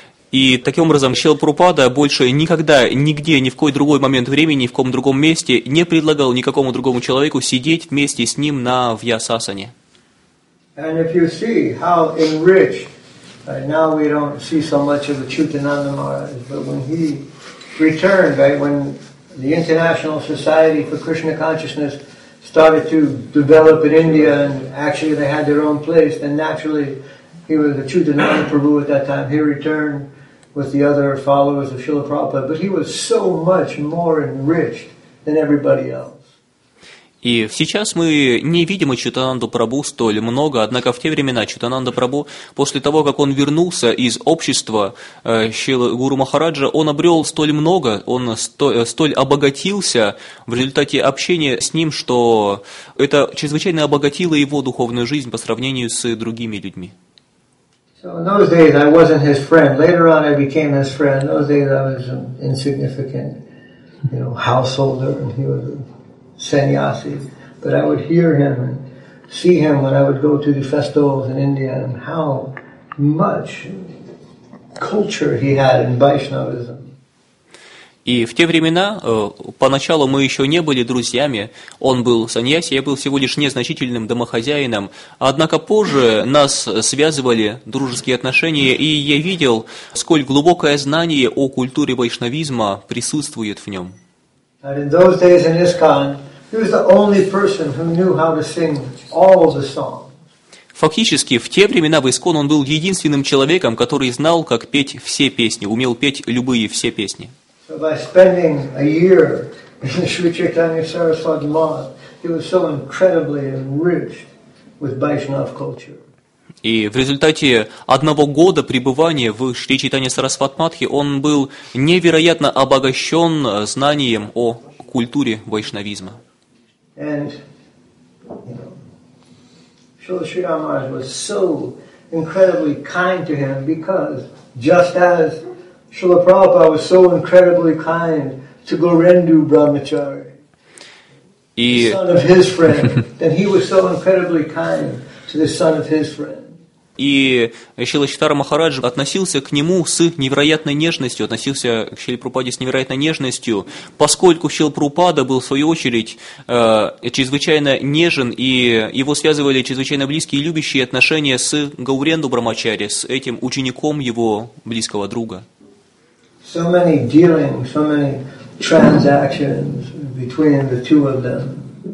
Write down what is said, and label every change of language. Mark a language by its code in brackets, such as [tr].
[ru] И таким образом Шрила Прабхупада больше никогда, нигде, ни в какой другой момент времени, ни в каком другом месте не предлагал никакому другому человеку сидеть вместе с ним на вьясасане. [en] And if you see how enriched, right, now we don't see so much of the Chaitanya Maharaj, but when he returned, right, when the International Society for Krishna Consciousness started to develop in India and actually they had their own place, then naturally he was a Chaitanya Prabhu at that time. He returned with the other followers of Srila Prabhupada, but he was so much more enriched than everybody else. [ru] И сейчас мы не видим Чайтананду Прабху столь много, однако в те времена Чайтананда Прабху, после того, как он вернулся из общества Шрилы Гуру Махараджа, он обрел столь много, он столь обогатился в результате общения с ним, что это чрезвычайно обогатило его духовную жизнь по сравнению с другими людьми. [en] So in those days I wasn't his friend. Later on I became his friend. In those days I was an insignificant, you know, householder, and he was sannyasi, but I would hear him and see him when I would go to the festivals in India and how much culture he had in Vaishnavism. [ru] И в те времена, поначалу мы еще не были друзьями, он был саньяси, я был всего лишь незначительным домохозяином, однако позже нас связывали дружеские отношения, и я видел, сколь глубокое знание о культуре вайшнавизма присутствует в нем. [en] And in those days in ISKCON, He was the only person who knew how to sing all the songs. [ru] Фактически, в те времена в Искон он был единственным человеком, который знал, как петь все песни, умел петь любые все песни. [en] So by spending a year in the Sri Chaitanya Saraswati Lodge, he was so incredibly enriched with Vaishnava culture. [ru] И в результате одного года пребывания в Шри Чайтанья Сарасвати Матхе он был невероятно обогащен знанием о культуре вайшнавизма. [en] Шрила Шри Рамараджа was so incredibly kind to him because just as Шрила Прабхупада was so incredibly kind to Гурендру Брахмачари, the son of his friend, then he was so incredibly kind to the son of his friend. [ru] И Шрила Чайтанья Махарадж относился к нему с невероятной нежностью, относился к Шриле Прабхупаде с невероятной нежностью, поскольку Шрила Прабхупада был, в свою очередь, чрезвычайно нежен, и его связывали чрезвычайно близкие и любящие отношения с Гауренду Брахмачари, с этим учеником его близкого друга. [en] So many dealings, so many transactions between the two of them.